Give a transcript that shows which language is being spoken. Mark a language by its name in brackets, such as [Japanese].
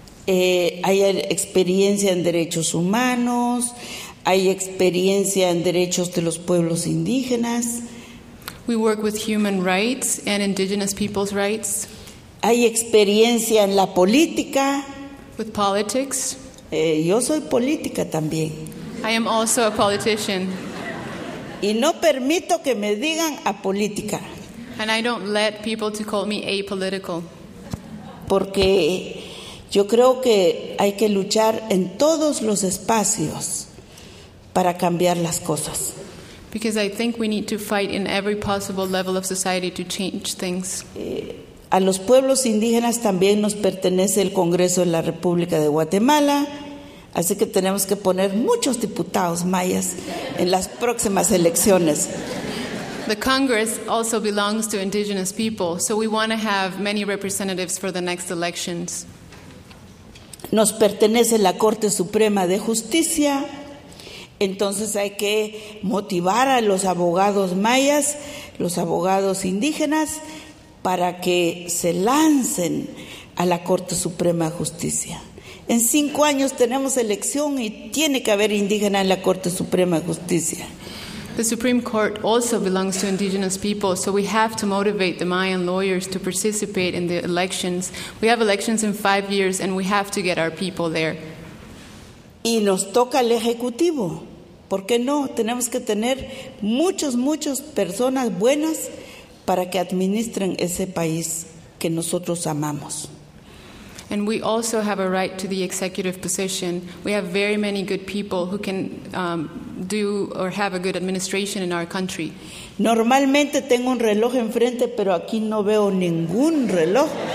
[Spanish] Hay experiencia en derechos humanos, hay experiencia en derechos de los pueblos indígenas. [English] We work with human rights and indigenous people's rights. [Spanish] Hay experiencia en la política. [English] With politics. [Spanish] Yo soy política también. [English] I am also a politician. [Spanish] Y no permito que me digan apolítica. [English] And I don't let people to call me apolitical. [Spanish] Porque yo creo que hay que luchar en todos los espacios para cambiar las cosas. [English] Because I think we need to fight in every possible level of society to change things. [Spanish] A los pueblos indígenas también nos pertenece el Congreso de la República de Guatemala, así que tenemos que poner muchos diputados mayas en las próximas elecciones. [English] The Congress also belongs to indigenous people, so we want to have many representatives for the next elections. [Spanish] Nos pertenece la Corte Suprema de Justicia, entonces hay que motivar a los abogados mayas, los abogados indígenas, para que se lancen a la Corte Suprema de Justicia. En 5 años tenemos elección y tiene que haber indígena en la Corte Suprema de Justicia. [English] The Supreme Court also belongs to indigenous people, so we have to motivate the Mayan lawyers to participate in the elections. We have elections in 5 years, and we have to get our people there. [Spanish] Y nos toca el Ejecutivo. ¿Por qué no? Tenemos que tener muchos, muchos personas buenas para que administren ese país que nosotros amamos. [English] And we also have a right to the executive position. We have very many good people who can do or have a good administration in our country. [Spanish] Normalmente tengo un reloj enfrente, pero aquí no veo ningún reloj.